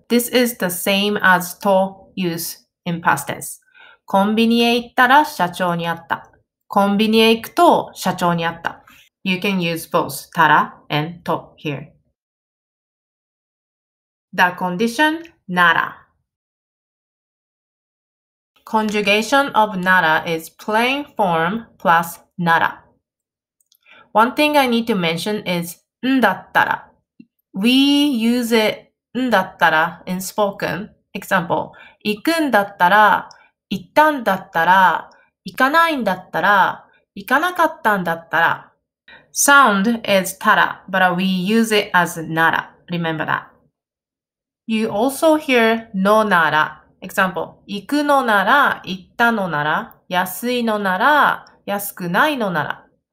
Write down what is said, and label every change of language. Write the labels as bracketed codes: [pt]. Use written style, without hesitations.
[en] This is the same as to use in past tense. [ja] コンビニへ行ったら社長に会った。コンビニへ行くと社長に会った。 [en] You can use both たら and to here. The condition なら。 Conjugation of なら is plain form plus なら。 One thing I need to mention is んだったら。We use it んだったら in spoken. [ja] Example, 行くんだったら、行ったんだったら、行かないんだったら、行かなかったんだったら。 [en] Sound is たら, but we use it as なら. Remember that. You also hear のなら. [ja] Example, 行くのなら、行ったのなら、安いのなら、安くないのなら。